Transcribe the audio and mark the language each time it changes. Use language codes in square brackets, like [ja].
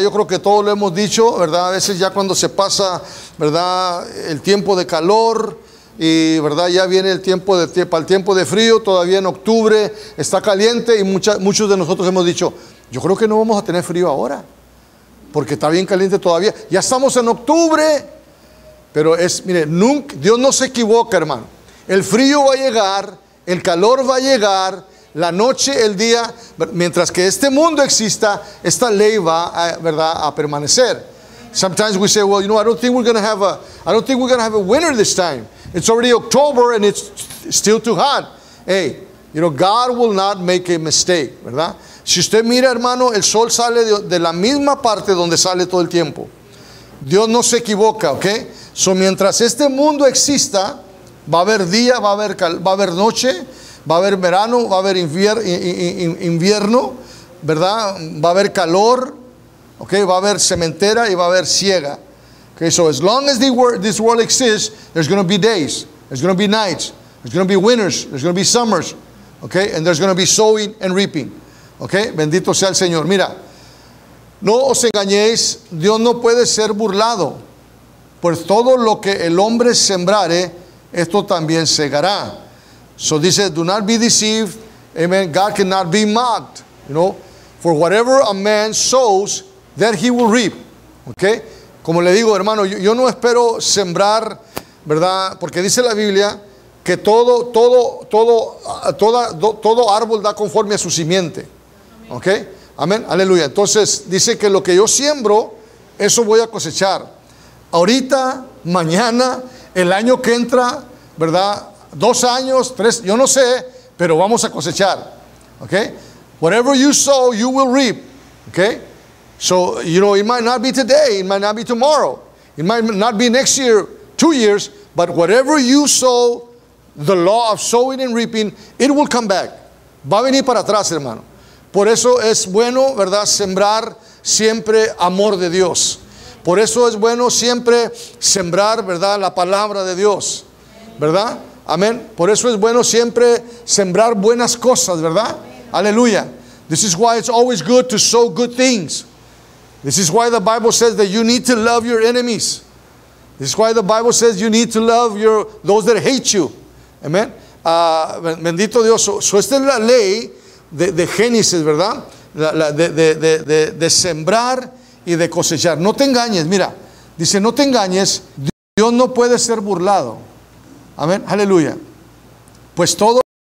[es] Yo creo que todos lo hemos dicho, ¿verdad? A veces ya cuando se pasa, ¿verdad?, el tiempo de calor y, ¿verdad?, ya viene el tiempo de para el tiempo de frío, todavía en octubre está caliente y muchos de nosotros hemos dicho, yo creo que no vamos a tener frío ahora porque está bien caliente todavía. Ya estamos en octubre. Pero es, mire, nunca, Dios no se equivoca, hermano. El frío va a llegar, el calor va a llegar, la noche, el día, mientras que este mundo exista, esta ley va a, ¿verdad?, a permanecer. [en] Sometimes we say, well, you know, I don't think we're going to have a winter this time. It's already October and it's still too hot. Hey, you know, God will not make a mistake, [es] ¿verdad? Si usted mira, hermano, el sol sale de la misma parte donde sale todo el tiempo. Dios no se equivoca, ¿ok? So, mientras este mundo exista, va a haber día, va a haber noche, va a haber verano, va a haber invierno, ¿verdad? Va a haber calor, ¿ok? Va a haber cementera y va a haber siega. [en] Ok, so as long as this world exists, there's going to be days, there's going to be nights, there's going to be winters, there's going to be summers, ¿ok? And there's going to be sowing and reaping. [es] Ok, bendito sea el Señor. Mira, no os engañéis, Dios no puede ser burlado, pues todo lo que el hombre sembrare, esto también segará. [en] So [es] dice, [en] do not be deceived, amen, God cannot be mocked, you know, for whatever a man sows, that he will reap. [es] Ok, como le digo, hermano, yo no espero sembrar, ¿verdad?, porque dice la Biblia que todo árbol da conforme a su simiente. Ok, amén, aleluya. Entonces dice que lo que yo siembro, eso voy a cosechar. Ahorita, mañana, el año que entra, ¿verdad? 2 años, 3, yo no sé, pero vamos a cosechar. [en] Ok, whatever you sow, you will reap. Ok, so you know, it might not be today, it might not be tomorrow, it might not be next year, 2 years, but whatever you sow, the law of sowing and reaping, it will come back. [es] Va a venir para atrás, hermano. Por eso es bueno, ¿verdad?, sembrar siempre amor de Dios. Por eso es bueno siempre sembrar, ¿verdad?, la palabra de Dios, ¿verdad? Amén. Por eso es bueno siempre sembrar buenas cosas, ¿verdad? Aleluya. [en] This is why it's always good to sow good things. This is why the Bible says that you need to love your enemies. This is why the Bible says you need to love your those that hate you. [es] Amén. Bendito Dios. So esta es la ley de Génesis, ¿verdad? De sembrar y de cosechar. No te engañes, mira. Dice, no te engañes. Dios no puede ser burlado. Amén, aleluya. Pues todo.